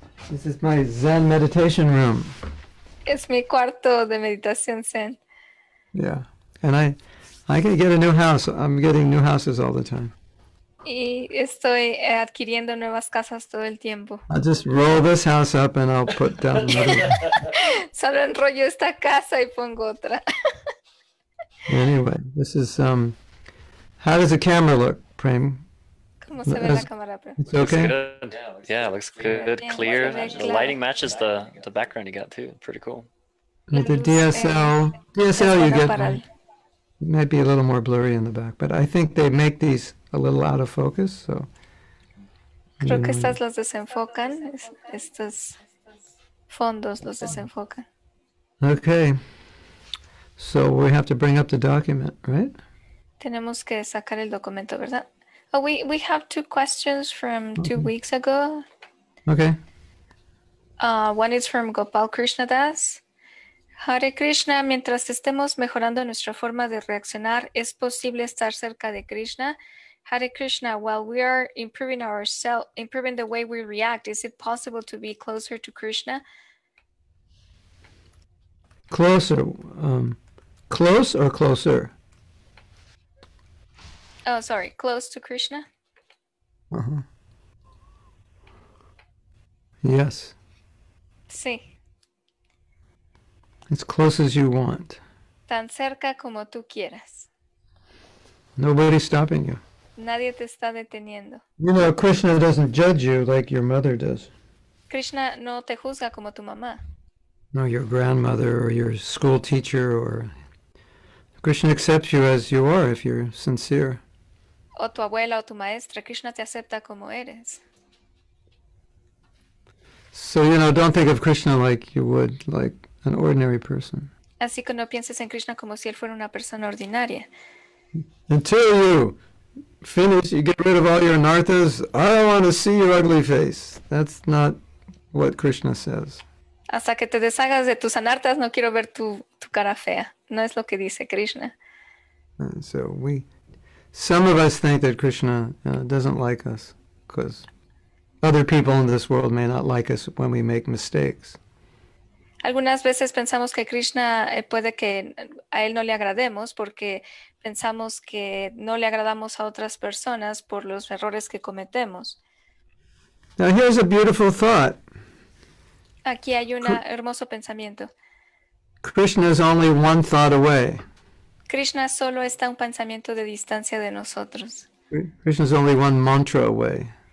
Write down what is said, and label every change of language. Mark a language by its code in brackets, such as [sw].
[en] This is my Zen meditation room. [es] Es mi cuarto de meditación Zen. [en] Yeah, and I can get a new house. I'm getting new houses all the time. [es] Y estoy adquiriendo nuevas casas todo el tiempo. [en] I'll just roll this house up and I'll put down another one. [es] Solo enrollo esta casa y pongo otra. [en] Anyway, this is, how does the camera look, Prem? [es] ¿Cómo se ve la cámara, Prem? [en] It's okay? Yeah, it looks good, clear. The lighting matches the background you got too. Pretty cool. With the DSL you get, it might be a little more blurry in the back, but I think they make these a little out of focus, so. [es] Creo que estas las desenfocan. Estos fondos los desenfocan. [en] Okay. So we have to bring up the document, right? [es] Tenemos que sacar el documento, ¿verdad? [en] Oh, we have two questions from 2 weeks ago. Okay. One is from Gopal Krishna Das. [es] Hare Krishna, mientras estemos mejorando nuestra forma de reaccionar, ¿es posible estar cerca de Krishna? [en] Hare Krishna, while we are improving ourselves, improving the way we react, is it possible to be closer to Krishna? Closer. Close or closer? Oh, sorry. Close to Krishna? Uh-huh. Yes. [es] Sí. [en] As close as you want. [es] Tan cerca como tú quieras. [en] Nobody's stopping you. [es] Nadie te está deteniendo. [en] You know, Krishna doesn't judge you like your mother does. [es] Krishna no te juzga como tu mamá. [en] No, your grandmother or your school teacher or... Krishna accepts you as you are if you're sincere. [es] O tu abuela o tu maestra, Krishna te acepta como eres. [en] So, you know, don't think of Krishna like you would, like an ordinary person. [es] Así que no pienses en Krishna como si él fuera una persona ordinaria. [en] Until you finish, you get rid of all your anarthas, I don't want to see your ugly face. That's not what Krishna says. [es] Hasta que te deshagas de tus anarthas, no quiero ver tu cara fea. No es lo que dice Krishna. [en] And so some of us think that Krishna doesn't like us because other people in this world may not like us when we make mistakes. [es] Algunas veces pensamos que Krishna puede que a él no le agrademos porque pensamos que no le agradamos a otras personas por los errores que cometemos. [en] Now here's a beautiful thought. [es] Aquí hay un hermoso pensamiento. [en] Krishna is only one thought away. [es] Krishna solo está un pensamiento de distancia de nosotros. [en] Krishna is only one mantra away.